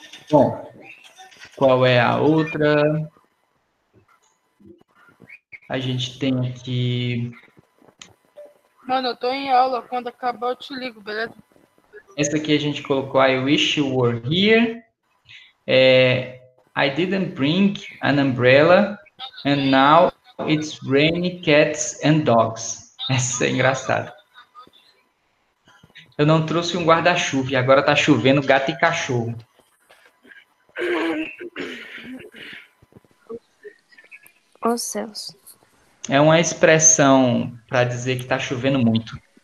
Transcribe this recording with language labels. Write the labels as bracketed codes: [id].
[pt] Bom, qual é a outra? A gente tem aqui... Mano, eu tô em aula, quando acabar eu te ligo, beleza? [en] Essa aqui a gente colocou, I wish you were here. I didn't bring an umbrella, and now it's raining cats and dogs. [pt] Essa é engraçada. Eu não trouxe um guarda-chuva, e agora tá chovendo gato e cachorro. Oh, céus. É uma expressão para dizer que tá chovendo muito.